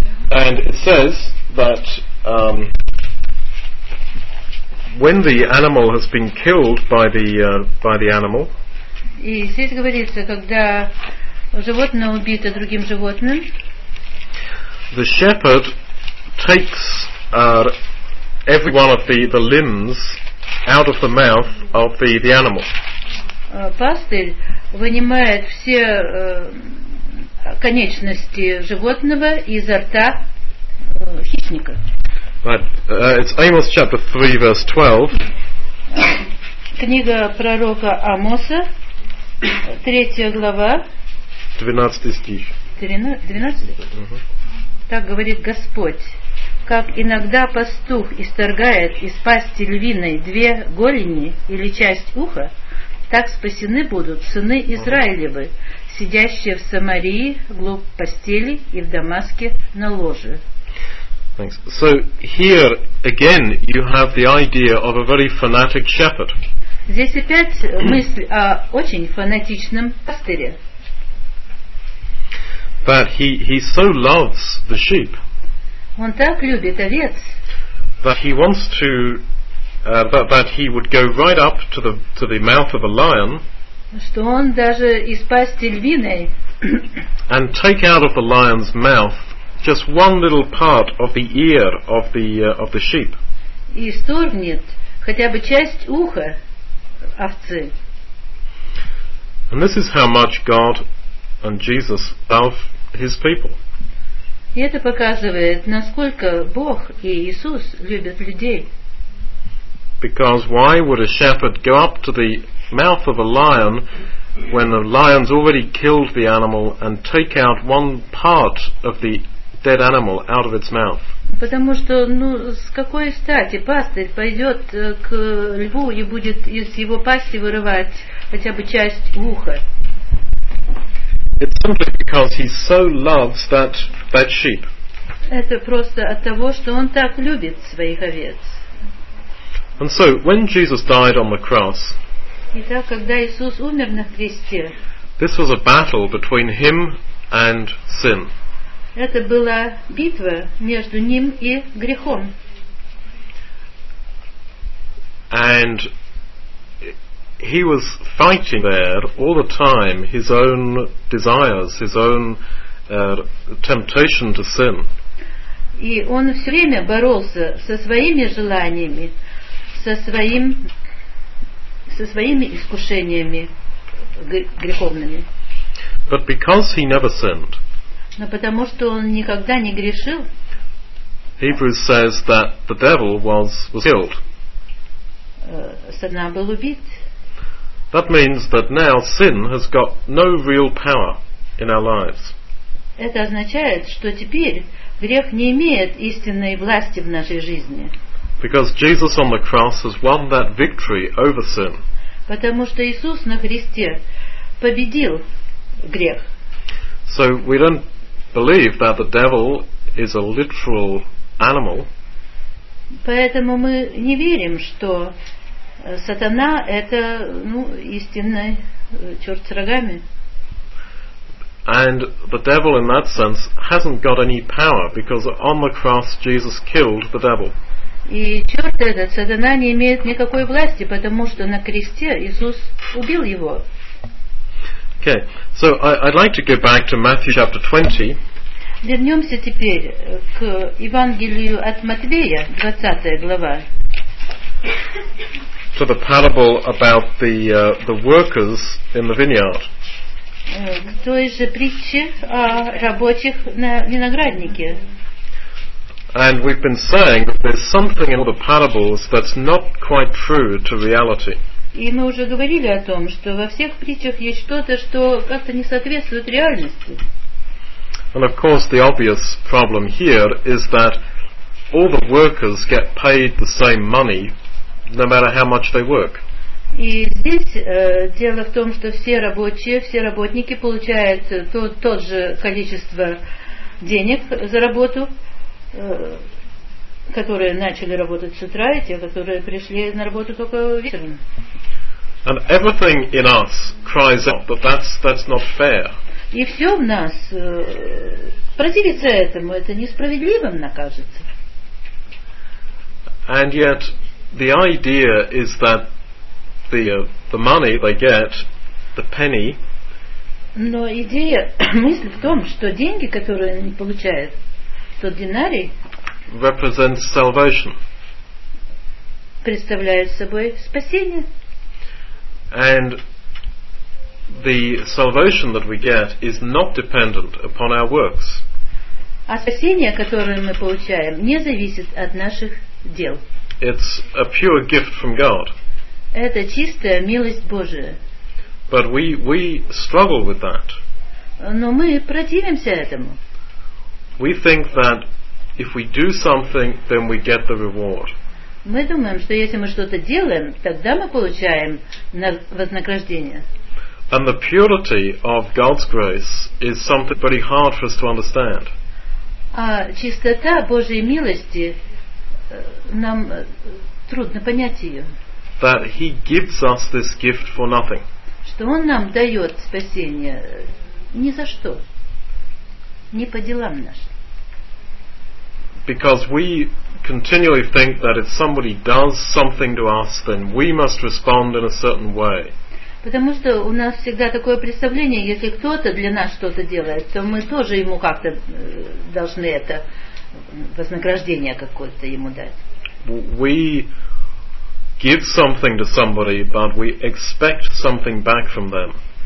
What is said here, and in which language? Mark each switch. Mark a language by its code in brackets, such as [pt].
[en] And it says that when the animal has been killed by the animal. [ru] И здесь говорится, когда животное убито другим животным. [en] The shepherd takes every one of the limbs out of the mouth of the animal. [ru] Пастырь вынимает все конечности животного изо рта хищника. [en] But it's Amos chapter 3 verse 12. [ru] Книга пророка Амоса, 3 глава, 12 стих. 12? Так говорит Господь: как иногда пастух исторгает из пасти львиной две голени или часть уха, так спасены будут сыны Израилевы, сидящие в Самарии, глубь постели и в Дамаске на ложе. [en] Thanks. So here again you have the idea of a very fanatic shepherd. [ru] Здесь опять мысль о очень фанатичном пастыре. [en] That he so loves the sheep. [ru] Он так любит овец. [en] That he wants to that he would go right up to the mouth of a lion. [ru] Что он даже из пасти львиной. [en] And take out of the lion's mouth just one little part of the ear of the sheep. [ru] И исторгнет хотя бы часть уха овцы. [en] And this is how much God and Jesus love his people. [ru] И это показывает, насколько Бог и Иисус любят людей. [en] Because why would a shepherd go up to the mouth of a lion when the lion's already killed the animal and take out one part of the dead animal out of its mouth? [ru] Потому что, ну, с какой стати пастырь пойдет к льву и будет из его пасти вырывать хотя бы часть уха? [en] It's simply because he so loves that sheep. [ru] Это просто от того, что он так любит своих овец. [en] And so, when Jesus died on the cross, [ru] Итак, когда Иисус умер на кресте, [en] this was a battle between him and sin. [ru] Это была битва между ним и грехом. [en] And he was fighting there all the time his own desires, his own temptation to sin. [ru] И он все время боролся со своими желаниями, со своими искушениями греховными. [en] But because he never sinned, [ru] но потому что он никогда не грешил, [en] Hebrews says that the devil was killed. [ru] Сатана был убит. [en] That means that now sin has got no real power in our lives. [ru] Это означает, что теперь грех не имеет истинной власти в нашей жизни. [en] Because Jesus on the cross has won that victory over sin. [ru] Потому что Иисус на кресте победил грех. [en] So we don't believe that the devil is a literal animal. [ru] Поэтому мы не верим, что сатана это, ну, истинный черт с рогами. [en] And the devil in that sense hasn't got any power because on the cross Jesus killed the devil. [ru] И черт этот, сатана не имеет никакой власти, потому что на кресте Иисус убил его. [en] Okay, so I'd like to go back to Matthew chapter 20. [ru] Вернемся теперь к Евангелию от Матвея, 20 глава. [en] To the parable about the workers in the vineyard. [ru] К той же притче о рабочих на винограднике. [en] And we've been saying that there's something in all the parables that's not quite true to reality. [ru] И мы уже говорили о том, что во всех притчах есть что-то, что как-то не соответствует реальности. [en] And of course the obvious problem here is that all the workers get paid the same money no matter how much they work. [ru] И здесь дело в том, что все рабочие, все работники получают тот же количество денег за работу, которые начали работать с утра, и те, которые пришли на работу только вечером. [en] And everything in us cries out, but that's not fair. [ru] И все в нас противится этому, это несправедливо, мне кажется. [en] And yet the idea is that the money they get, the penny. [ru] Но идея, мысль в том, что деньги, которые они получают, тот динарий, [en] represents salvation. [ru] Представляет собой спасение. [en] And the salvation that we get is not dependent upon our works. [ru] А спасение, которое мы получаем, не зависит от наших дел. [en] It's a pure gift from God. [ru] Это чистая милость Божия. [en] But we struggle with that. [ru] Но мы противимся этому. [en] We think that if we do something, then we get the reward. [ru] Мы думаем, что если мы что-то делаем, тогда мы получаем вознаграждение. [en] And the purity of God's grace is something very hard for us to understand. [ru] А чистота Божьей милости нам трудно понять ее. [en] That he gives us this gift for nothing. [ru] Что он нам дает спасение ни за что, не по делам нашим. [en] Because we continually think that if somebody does something to us, then we must respond in a certain way. [ru] Потому что у нас всегда такое представление, если кто-то для нас что-то делает, то мы тоже ему как-то должны это вознаграждение какое-то ему дать. [en] We give something to somebody, but we expect something back from them.